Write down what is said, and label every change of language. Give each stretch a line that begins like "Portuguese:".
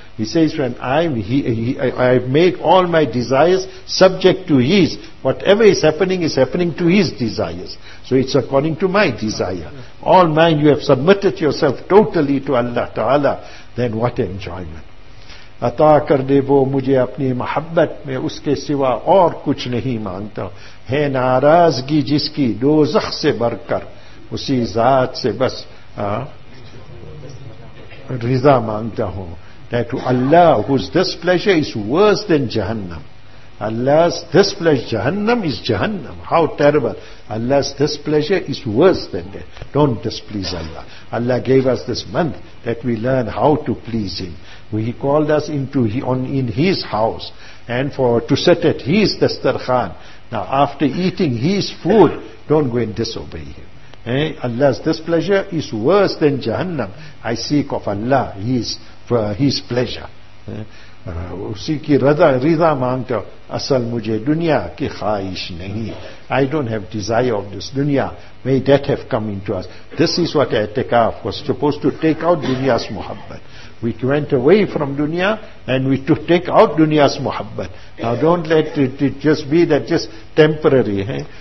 English: He says, when I've made all my desires subject to His, whatever is happening to His desires. So it's according to my desire. All mine, you have submitted yourself totally to Allah Ta'ala. Then what enjoyment.
Urdu: عطا کر دے وہ مجھے اپنی محبت میں اس کے سوا اور کچھ نہیں مانگتا ہے ناراضگی جس کی دوزخ سے بھر کر اسی ذات سے بس رضا مانگتا ہوں.
English: That to Allah whose displeasure is worse than Jahannam. Allah's displeasure, Jahannam is Jahannam. How terrible. Allah's displeasure is worse than that. Don't displease Allah. Allah gave us this month that we learn how to please Him. He called us in His house and to sit at His dastarkhan. Now after eating His food, don't go and disobey Him. Allah's displeasure is worse than Jahannam. I seek of Allah His pleasure.
Urdu: اسی کی رضا مانگتا اصل مجھے دنیا کی خواہش نہیں.
English: I don't have desire of this dunya. May that have come into us. This is what i'tikaf was supposed to take out dunya's muhabbat. We went away from dunya and we to take out dunya's muhabbat. Now don't let it just be that just temporary.